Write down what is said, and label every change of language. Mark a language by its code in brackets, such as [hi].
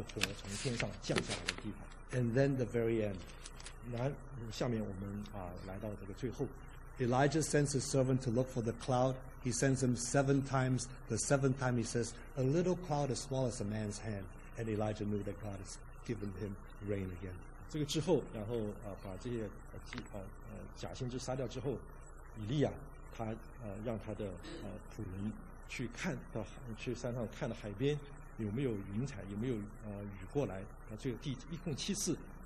[zh] 所以这个地点就确确实实当时这个火从天上降下来的地方。 [en] And then the very end. [zh] 下面我们, 来到这个最后。 [en] Elijah sends his servant to look for the cloud. He sends him 7 times. The 7th time he says, a little cloud as small as a man's hand. And Elijah knew that God has given him rain again. [zh] 这个之后,然后, 把这些, 假先知杀掉之后, 以利亚, 他, 让他的, 仆人, 去看, 去山上看的海边, 有没有云彩, 有没有, 雨过来, 这个地一共7次。